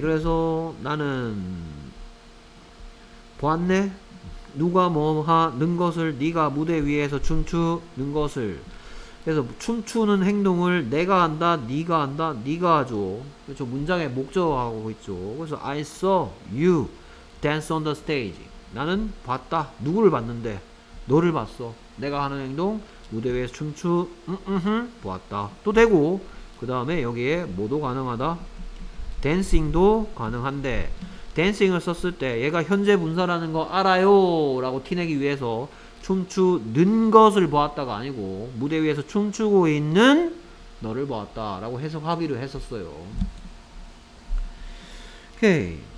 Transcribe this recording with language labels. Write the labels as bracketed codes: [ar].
[ko] 그래서 나는 보았네. 누가 뭐하는 것을, 네가 무대 위에서 춤추는 것을. 그래서 춤추는 행동을 내가 한다, 네가 한다, 네가 하죠. 그렇죠. 문장의 목적어하고 있죠. 그래서 [en] I saw you dance on the stage. [ko] 나는 봤다. 누구를 봤는데? 너를 봤어. 내가 하는 행동 무대 위에서 춤추 보았다. 또 되고 그 다음에 여기에 뭐도 가능하다? dancing도 가능한데 댄싱을 썼을 때 얘가 현재 분사라는 거 알아요 라고 티내기 위해서 춤추는 것을 보았다가 아니고 무대 위에서 춤추고 있는 너를 보았다 라고 해석하기로 했었어요. 오케이.